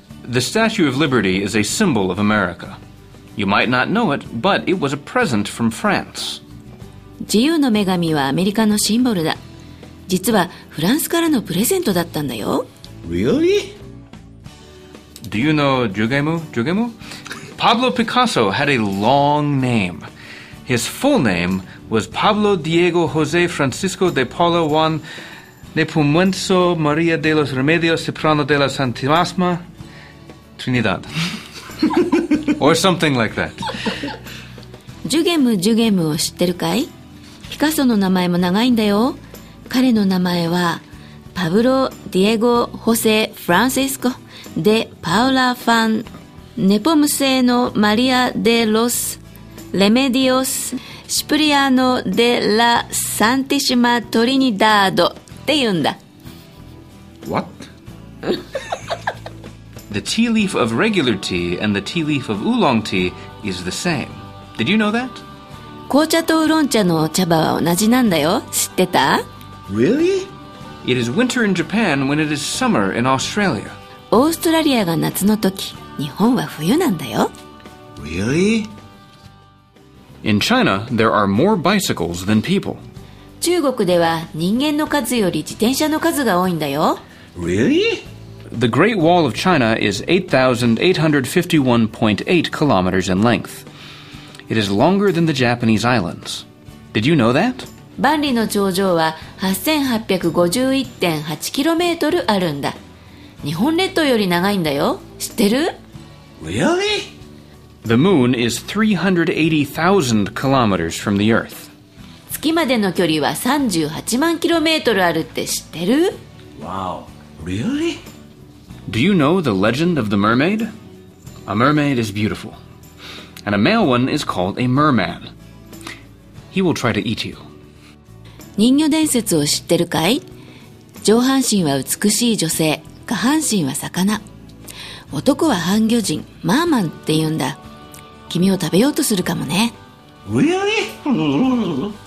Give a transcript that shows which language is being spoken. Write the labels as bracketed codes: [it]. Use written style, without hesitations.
[en] the Statue of Liberty is a symbol of America. You might not know it, but it was a present from France. [ja] 自由の女神はアメリカのシンボルだ。実はフランスからのプレゼントだったんだよ。 [en] Really? Do you know Jugemu? Pablo Picasso had a long name. His full name was Pablo Diego José Francisco de Paula Juan Nepomuceno María de los Remedios Cipriano de la Santísima Trinidad. Or something like that. [ja] Jugemu を知ってるかい? ピカソの名前も長いんだよ。彼の名前はパブロ・ディエゴ・ホセ・フランシスコ・デ・パウラ・ファン・ネポムセーノ・マリア・デ・ロス・レメディオス・シプリアノ・デ・ラ・サンティシマ・トリニダードって言うんだ。 [en] What? The tea leaf of regular tea and the tea leaf of oolong tea is the same. Did you know that? [ja] 紅茶とウロン茶の茶葉は同じなんだよ。知ってた? [en] Really? It is winter in Japan when it is summer in Australia. [ja] オーストラリアが夏の時、日本は冬なんだよ。 [en] Really? In China, there are more bicycles than people. [ja] 中国では人間の数より自転車の数が多いんだよ。 [en] Really? The Great Wall of China is 8,851.8 kilometers in length. It is longer than the Japanese islands. Did you know that? [ja] 万里の長城は 8,851.8 キロメートルあるんだ。日本列島より長いんだよ。知ってる? [en] Really? The moon is 380,000 kilometers from the earth. [ja] 月までの距離は38万キロメートルあるって知ってる? [en] Wow, really? Do you know the legend of the mermaid? A mermaid is beautiful. And a male one is called a merman. He will try to eat you. [ja] 人魚伝説を知ってるかい?上半身は美しい女性、下半身は魚。男は半魚人、マーマンって言うんだ。君を食べようとするかもね。 [en] Really?